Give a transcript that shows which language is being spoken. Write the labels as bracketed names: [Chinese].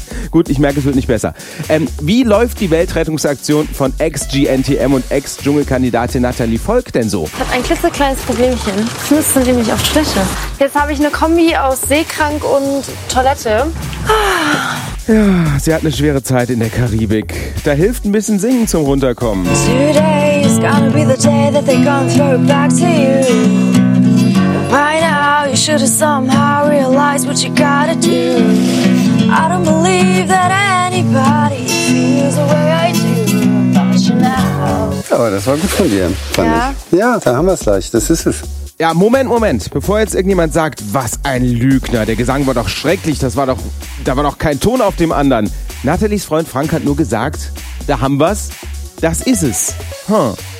[German] Gut, ich merke, es wird nicht besser. Wie läuft die Weltrettungsaktion von Ex-GNTM und Ex-Dschungelkandidatin Nathalie Volk denn so? Ich habe ein klitzekleines Problemchen. Fuß sind nämlich auf Schwäche. Jetzt habe ich eine Kombi aus Seekrank und Toilette. Ah. Ja, sie hat eine schwere Zeit in der Karibik. Da hilft ein bisschen Singen zum Runterkommen. [English] Today is gonna be the day that they're gonna throw it back to you. By now you should have somehow realized what you gotta do. I don't believe that anybody feels the way I do. [German] Aber das war gut von dir, fand ich. Ja, da haben wir es gleich, das ist es. Ja, Moment. Bevor jetzt irgendjemand sagt, was ein Lügner, der Gesang war doch schrecklich, da war doch kein Ton auf dem anderen. Nathalies Freund Frank hat nur gesagt, da haben wir es, das ist es. Hm.